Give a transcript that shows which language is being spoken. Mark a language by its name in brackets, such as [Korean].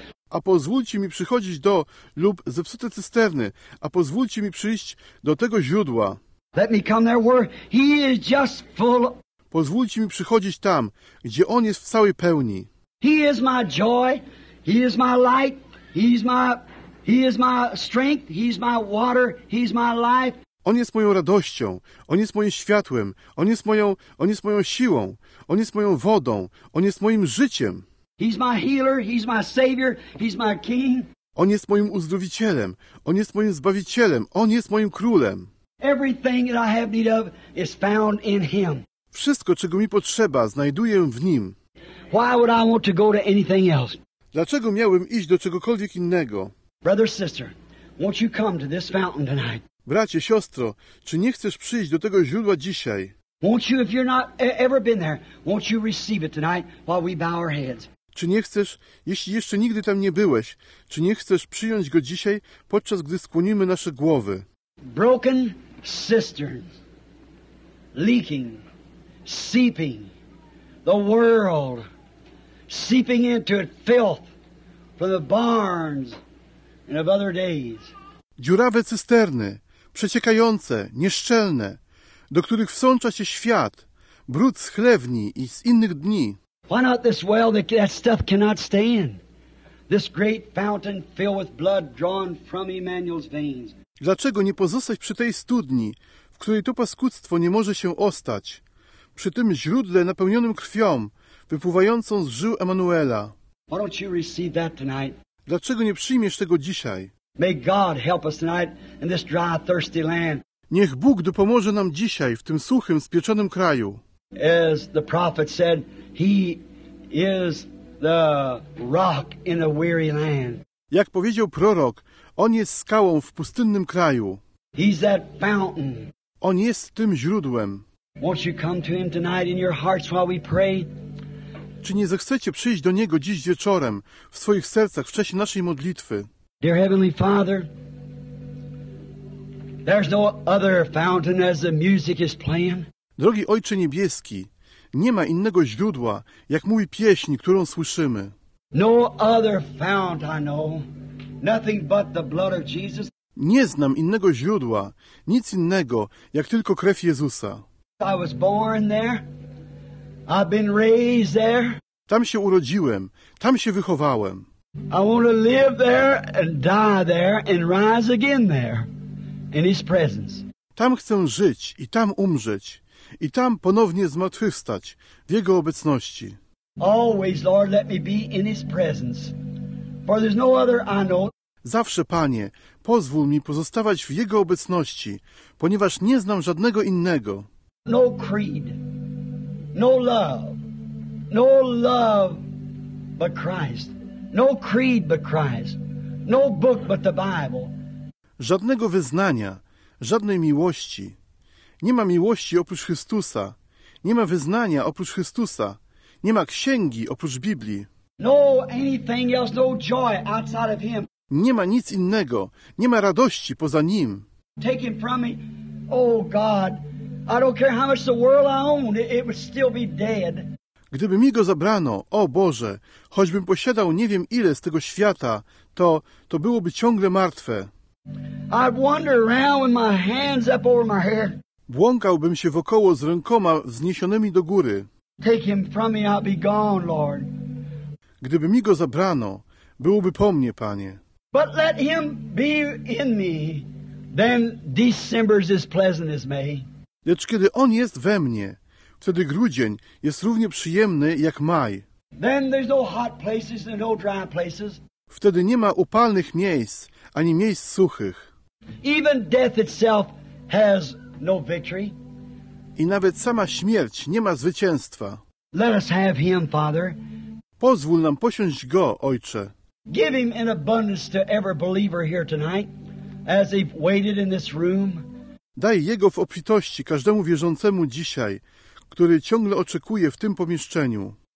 [Polish] A pozwólcie mi przychodzić do lub zepsute cysterny. A pozwólcie mi przyjść do tego źródła. [English] Let me come there where he is just full. [Polish] Pozwólcie mi przychodzić tam, gdzie On jest w całej pełni. [English] He is my joy, He is my light, He is my strength, He is my water, He is my life. [Polish] On jest moją radością, On jest moim światłem, On jest moją siłą, On jest moją wodą, On jest moim życiem. [English] He is my healer, He is my savior, He is my king. [Polish] On jest moim uzdrowicielem, On jest moim zbawicielem, On jest moim królem. [English] Everything that I have need of is found in Him. [Polish] Wszystko, czego mi potrzeba, znajduję w Nim. [English] Why would I want to go to anything else? [Polish] Dlaczego miałbym iść do czegokolwiek innego? [English] Brother, sister, won't you come to this fountain tonight? [Polish] Bracie, siostro, czy nie chcesz przyjść do tego źródła dzisiaj? [English] Won't you, if you're not ever been there, won't you receive it tonight while we bow our heads? [Polish] Czy nie chcesz, jeśli jeszcze nigdy tam nie byłeś, czy nie chcesz przyjąć go dzisiaj, podczas gdy skłonimy nasze głowy? [English] Broken cisterns, leaking. Seeping, the world, seeping into it, filth from the barns and of other days. [Polish] Dziurawe cysterny, przeciekające, nieszczelne, do których wsącza się świat, brud z chlewni i z innych dni. [English] Why not this well that that stuff cannot stay in? This great fountain filled with blood drawn from Emmanuel's veins. [Polish] Dlaczego nie pozostać przy tej studni, w której to paskudztwo nie może się ostać? Przy tym źródle napełnionym krwią, wypływającą z żył Emanuela. [English] Why don't you receive that tonight? [Polish] Dlaczego nie przyjmiesz tego dzisiaj? [English] May God help us tonight in this dry, thirsty land. [Polish] Niech Bóg dopomoże nam dzisiaj w tym suchym, spieczonym kraju. [English] As the prophet said, he is the rock in a weary land. [Polish] Jak powiedział prorok, on jest skałą w pustynnym kraju. [English] He's that fountain. [Polish] On jest tym źródłem. [English] Won't you come to him tonight in your hearts while we pray? [Polish] Czy nie zechcecie przyjść do niego dziś wieczorem w swoich sercach w czasie naszej modlitwy? [English] Dear Heavenly Father, there's no other fountain as the music is playing. [Polish] Drogi Ojcze Niebieski, nie ma innego źródła, jak mówi pieśń, którą słyszymy. [English] No other fountain I know, nothing but the blood of Jesus. [Polish] Nie znam innego źródła, nic innego, jak tylko krew Jezusa. [English] I was born there. I've been raised there. [Polish] Tam się urodziłem, tam się wychowałem. [English] I want to live there and die there and rise again there in His presence. [Polish] Tam chcę żyć i tam umrzeć i tam ponownie zmartwychwstać w Jego obecności. [English] Always, Lord, let me be in His presence, for there's no other I know. [Polish] Zawsze, Panie, pozwól mi pozostawać w Jego obecności, ponieważ nie znam żadnego innego. [English] No creed, no love, no love but Christ. No creed but Christ. No book but the Bible. [Polish] Żadnego wyznania, żadnej miłości. Nie ma miłości oprócz Chrystusa. Nie ma wyznania oprócz Chrystusa. Nie ma księgi oprócz Biblii. [English] No anything else, no joy outside of Him. [Polish] Nie ma nic innego. Nie ma radości poza Nim. [English] Take Him from me. Oh God, I don't care how much the world I own, it would still be dead. [Polish] Gdyby mi go zabrano, o Boże, choćbym posiadał nie wiem ile z tego świata, to byłoby ciągle martwe. [English] I'd wander around with my hands up over my hair. [Polish] Błąkałbym się wokoło z rękoma wzniesionymi do góry. [English] Take him from me, I'll be gone, Lord. [Polish] Gdyby mi go zabrano, byłoby po mnie, Panie. [English] But let him be in me, then December's as pleasant as May. [Polish] Lecz kiedy on jest we mnie, wtedy grudzień jest równie przyjemny jak maj. [English] Then there's no hot places and no dry places. [Polish] Wtedy nie ma upalnych miejsc ani miejsc suchych. [English] Even death itself has no victory. [Polish] I nawet sama śmierć nie ma zwycięstwa. [English] Let us have him, Father. [Polish] Pozwól nam posiąść go, Ojcze. [English] Give him an abundance to every believer here tonight, as they've waited in this room. [Polish] Daj jego w obfitości każdemu wierzącemu dzisiaj, który ciągle oczekuje w tym pomieszczeniu.